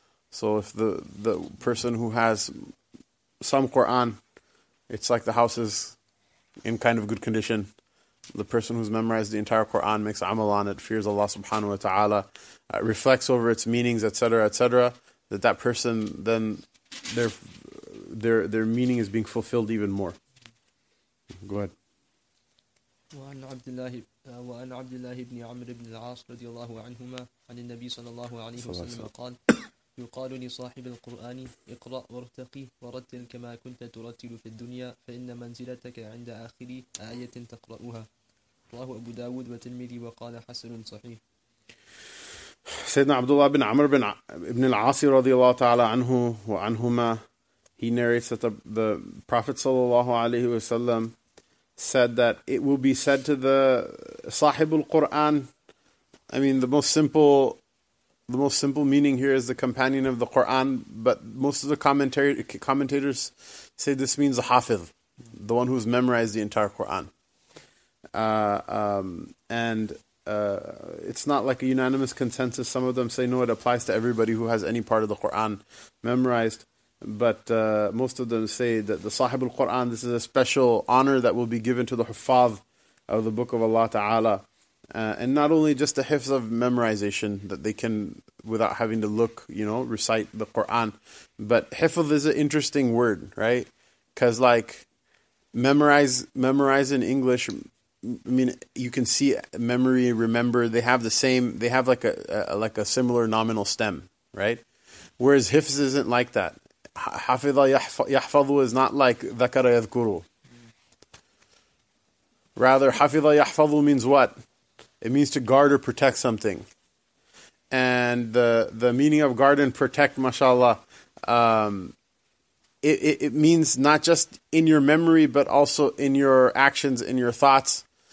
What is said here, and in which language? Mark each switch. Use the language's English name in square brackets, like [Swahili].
[English] So if the person who has some Quran, it's like the house is in kind of good condition. The person who's memorized the entire Quran, makes amal on it, fears Allah subhanahu wa ta'ala, reflects over its meanings, etc., etc., that person, then their meaning is being fulfilled even more. Go ahead. [Arabic] وأن عبد الله بن عمرو بن العاص رضي الله عنهما عن النبي صلى الله عليه وسلم قال يقال لصاحب القرآن اقرأ وارتقي ورتل كما كنت ترتل في الدنيا فإن منزلتك عند آخر آية تقرأها رواه أبو داود والترمذي وقال حسن صحيح. [English] سيدنا عبد الله بن عمرو بن العاص [Arabic] رضي الله تعالى عنه وعنهما, [English] he narrates that the Prophet [Arabic] صلى الله عليه وسلم [English] said that it will be said to the Sahibul Quran. I mean, the most simple meaning here is the companion of the Quran, but most of the commentators say this means the Hafiz, the one who's memorized the entire Quran. It's not like a unanimous consensus. Some of them say no, it applies to everybody who has any part of the Quran memorized. But most of them say that the Sahib al-Quran, this is a special honor that will be given to the Hufaz of the Book of Allah Ta'ala. And not only just the hifz of memorization, that they can, without having to look, you know, recite the Quran. But hifz is an interesting word, right? Because like, memorize in English, I mean, you can see memory, remember, they have like a similar nominal stem, right? Whereas hifz isn't like that. [Arabic] حَفِظَ يَحْفَظُ [English] is not like [Arabic] ذَكَرَ يَذْكُرُ. [English] Rather, [Arabic] حَفِظَ يَحْفَظُ [English] means what? It means to guard or protect something. And the meaning of guard and protect, mashallah, it means not just in your memory, but also in your actions, in your thoughts.